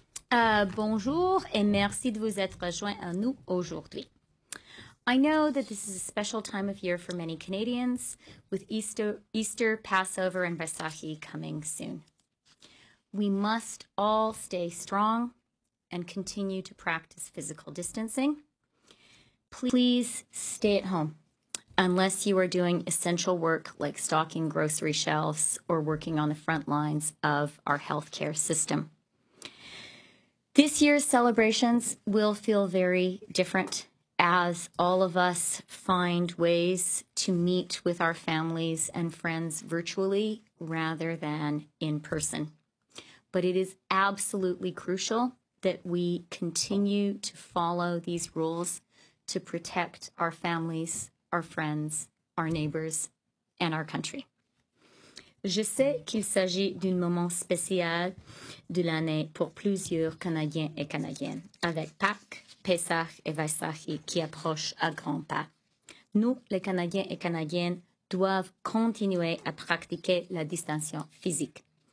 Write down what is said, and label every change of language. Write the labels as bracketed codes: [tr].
[fr] Bonjour et merci de vous être joint à nous aujourd'hui. [en] I know that this is a special time of year for many Canadians, with Easter, Passover, and Vaisakhi coming soon. We must all stay strong and continue to practice physical distancing. Please stay at home unless you are doing essential work like stocking grocery shelves or working on the front lines of our healthcare system. This year's celebrations will feel very different as all of us find ways to meet with our families and friends virtually rather than in person. But it is absolutely crucial that we continue to follow these rules to protect our families, our friends, our neighbors, and our country. [fr] Je sais qu'il s'agit d'un moment spécial de l'année pour plusieurs Canadiens et Canadiennes, avec Pâques, Pessah et Vaisakhi qui approchent à grands pas. Nous, les Canadiens et Canadiennes, doivent continuer à pratiquer la distanciation physique.